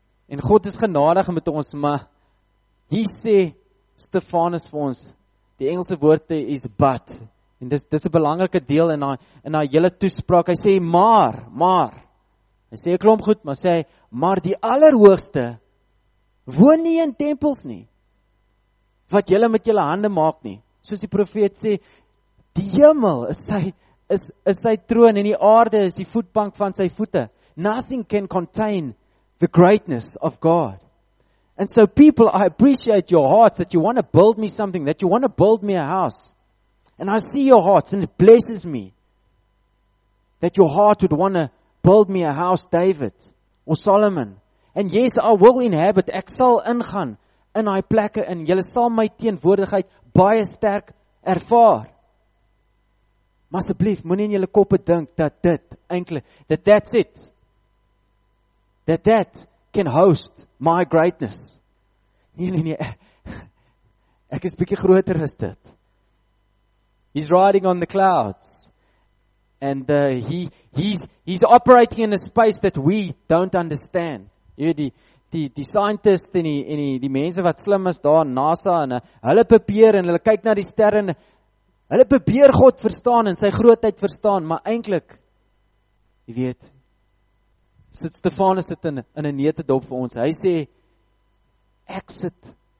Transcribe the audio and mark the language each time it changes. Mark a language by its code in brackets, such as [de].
[af] En God is genadig met ons, maar hier sê Stefanus vir ons, die Engelse woorde is but, en dis 'n belangrike deel in haar hele toespraak, hy sê maar, hy sê ek klomp goed, maar sê hy, maar die allerhoogste woon nie in tempels nie, wat jylle met jylle hande maak nie, soos die profeet sê, die hemel is sy troon, en die aarde is die voetbank van sy voete, [en] nothing can contain the greatness of God. And so people, I appreciate your hearts that you want to build me something, that you want to build me a house. And I see your hearts and it blesses me that your heart would want to build me a house, David or Solomon. And yes, I will inhabit, [af] ek sal ingaan in hy plekke en jylle sal my teenwoordigheid baie sterk ervaar. Maar asseblief, moenie in jylle koppe dink dat dit eintlik, [en] that's it. That can host my greatness. [af] Nee, ek is bietjie groter as dit. [en] He's riding on the clouds. And he's operating in a space that we don't understand. [af] Jy weet, die scientists en die mense wat slim is daar, NASA, en hulle probeer en hulle kyk na die sterre, hulle probeer God verstaan en sy grootheid verstaan, maar eintlik, jy weet, sit Stefanus sit in 'n neutedop vir ons. Hy sê, ek sit